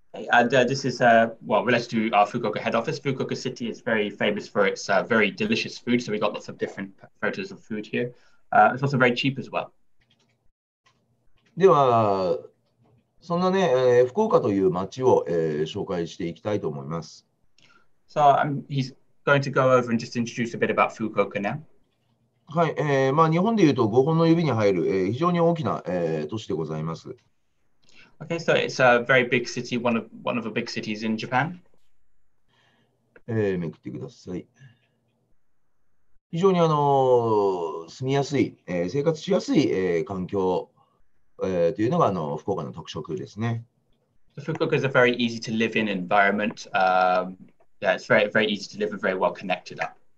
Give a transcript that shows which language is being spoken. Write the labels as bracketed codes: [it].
[en] And, this is, well, related to our Fukuoka head office. Fukuoka City is very famous for its very delicious food, so we got lots of different photos of food here. It's also very cheap as well. [ja] では、そんなね、福岡という街を、紹介していきたいと思います。 [en] So, he's... going to go over and just introduce a bit about Fukuoka now. [ja] はい、まあ日本でいうと5本の指に入る、非常に大きな、都市でございます。 [en] Okay, so it's a very big city, one of the big cities in Japan. [ja] めくってください。非常に住みやすい、生活しやすい、環境、というのが福岡の特色ですね。 [en] So、Fukuoka is a very easy to live in environment. Yeah, it's very, very easy to live and very well connected up.